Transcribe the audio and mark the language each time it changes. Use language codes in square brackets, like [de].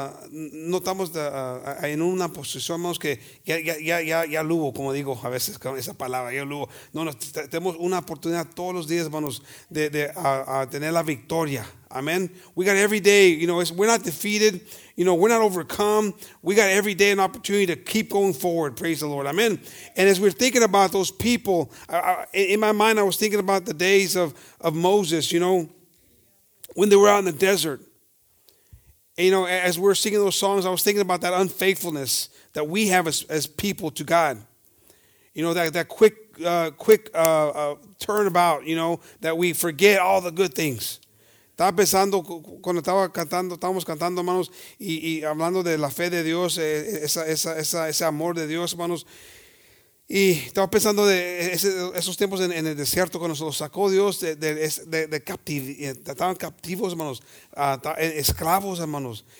[es] No estamos en una posición, hermanos, que ya lubo, como digo a veces con esa palabra, ya lubo. No, tenemos una oportunidad todos los días, hermanos, de tener la victoria. Amen. [en] We got every day, you know, we're not defeated. You know, we're not overcome. We got every day an opportunity to keep going forward. Praise the Lord. Amen. And as we're thinking about those people, in my mind, I was thinking about the days of Moses, you know, when they were out in the desert. And, you know, as we're singing those songs, I was thinking about that unfaithfulness that we have as people to God. You know, that quick turnabout, you know, that we forget all the good things. [es] Estaba pensando cuando estaba cantando, estábamos cantando, hermanos, y hablando de la fe de Dios, ese amor de Dios, hermanos. Y estaba pensando de esos tiempos en el desierto cuando se los sacó Dios de captividad. Estaban captivos, hermanos, esclavos, hermanos.